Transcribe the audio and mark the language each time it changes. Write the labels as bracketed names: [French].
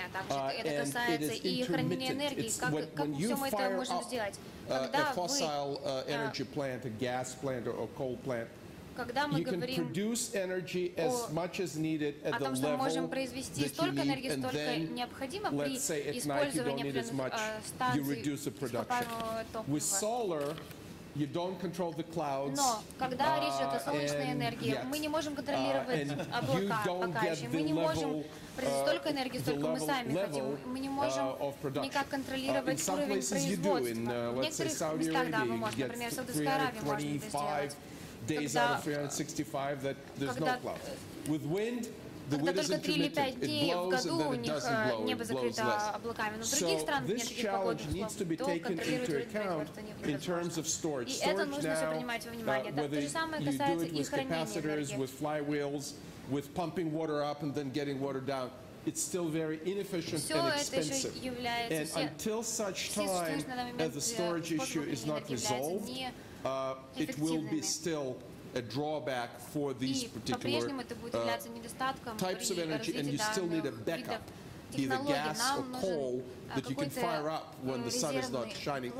[English] And it is intermittent. It's when you fire up a fossil energy plant, a gas plant or a coal plant, you can produce energy as much as needed at the level that you need, and then, let's say at night you don't need as much, you reduce the production. With solar, You don't control the clouds. [Russian] Но когда речь идет о солнечной энергии, мы не можем контролировать облака пока еще. Мы не можем произвести столько энергии, сколько мы сами хотим. Мы не можем никак контролировать уровень производства. В некоторых местах, да, вы можете, например, в Саудовской Аравии можно это сделать. [English] Days out of 365 that there's no clouds. With wind, [Russian] когда только 3 или 5 дней в году у них небо закрыто облаками. Но в других странах нет таких погодных слов, то контролировать уровень производства невозможно. И это нужно все принимать во внимание. То же самое касается и хранения энергии. [English] It's still very inefficient and expensive. And until such time as the storage issue is not resolved, it will be still a drawback for these particular types of energy, and you still need a backup, either gas or coal, that you can fire up when the sun is not shining.